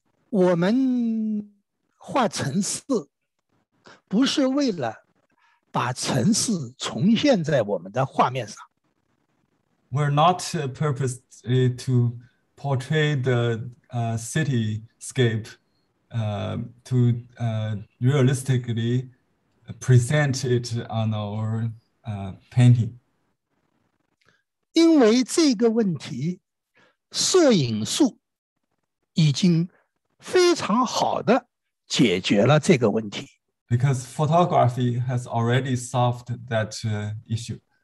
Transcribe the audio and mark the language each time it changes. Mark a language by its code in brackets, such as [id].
[zh] 我们画城市，不是为了把城市重现在我们的画面上。We're [en] not purposely to portray the cityscape to realistically present it on our painting. [zh] 因为这个问题，摄影术已经 非常好的解决了这个问题。 [en] Because photography has already solved that issue.